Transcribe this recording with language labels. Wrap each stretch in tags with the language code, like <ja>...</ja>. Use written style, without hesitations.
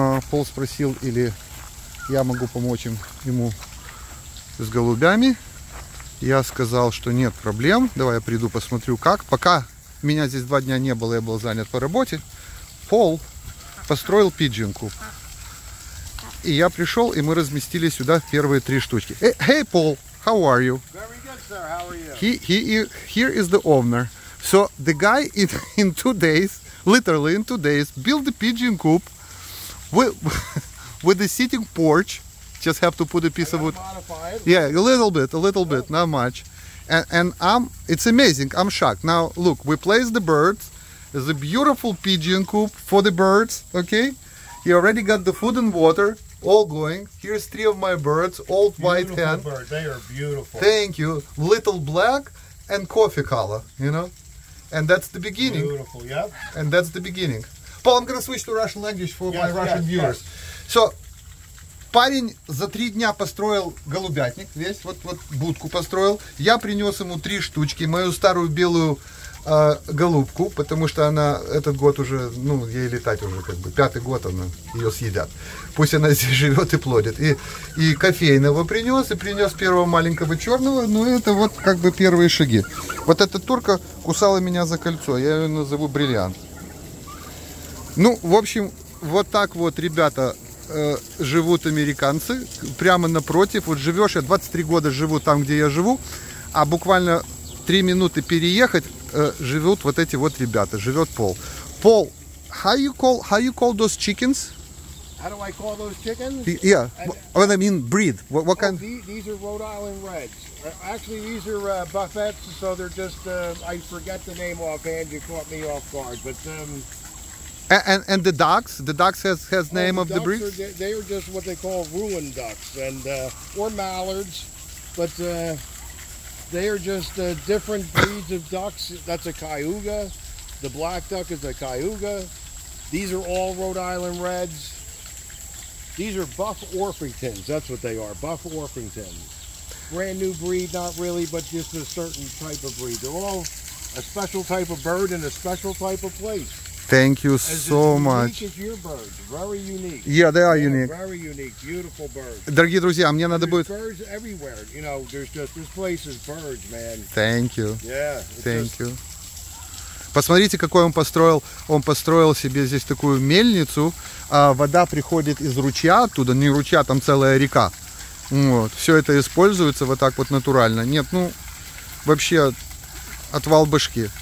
<ru>Пол спросил, или я могу помочь ему с голубями. Я сказал, что нет проблем, давай я приду посмотрю как. Пока меня здесь два дня не было, я был занят по работе, Пол построил пиджинку. И я пришел, и мы разместили сюда первые три штучки.</ru> <en>Hey, Paul, how are you? Very good, sir, how are you? Here is the owner. So, the guy in 2 days, literally in 2 days, built the pigeon coop with the sitting porch. Just have to put a piece of wood. Yeah, a little bit, not much. And it's amazing, I'm shocked. Now, look, we place the birds. It's a beautiful pigeon coop for the birds, okay? He already got the food and water. All going. Here's three of my birds. Old beautiful white hen. Birds. They are beautiful. Thank you. Little black and coffee color, you know? And that's the beginning. Beautiful, yeah. And that's the beginning. Paul, I'm gonna switch to Russian language for my Russian viewers. Yes.</en> <ru>So, парень за три дня построил голубятник весь, вот будку построил. Я принес ему три штучки, мою старую белую голубку, потому что она этот год уже, ну, ей летать уже как бы, пятый год она, ее съедят. Пусть она здесь живет и плодит. И кофейного принес, и принес первого маленького черного, ну, это вот как бы первые шаги. Вот эта турка кусала меня за кольцо, я ее назову бриллиант. Ну, в общем, вот так вот, ребята, живут американцы, прямо напротив. Вот живешь, я 23 года живу там, где я живу, а буквально 3 минуты переехать, живут вот эти вот ребята, живет Пол.</ru> <en>Пол, how you call those chickens? How do I call those chickens? Yeah, what I mean breed. What kind? These are Rhode Island Reds. Actually, these are Buffets, so they're just, I forget the name offhand, you caught me off guard, but And the ducks? The ducks has name of the breed? They are just what they call ruin ducks, and or mallards, but they are just different breeds of ducks. That's a Cayuga. The black duck is a Cayuga. These are all Rhode Island Reds. These are Buff Orpingtons. That's what they are, Buff Orpingtons. Brand new breed, not really, but just a certain type of breed. They're all a special type of bird in a special type of place. Thank you so much. As unique as your birds, very unique. Yeah, they are unique. Very unique, beautiful birds.</en> <ru>Дорогие друзья, мне надо будет...</ru> <en>There's birds everywhere, you know, there's just, this place is birds, man. Thank you. Yeah. Thank you.</en> <ru>Посмотрите, какой он построил. Он построил себе здесь такую мельницу. А вода приходит из ручья оттуда. Не ручья, там целая река. Вот. Все это используется вот так вот натурально. Нет, ну, вообще, отвал башки.</ru>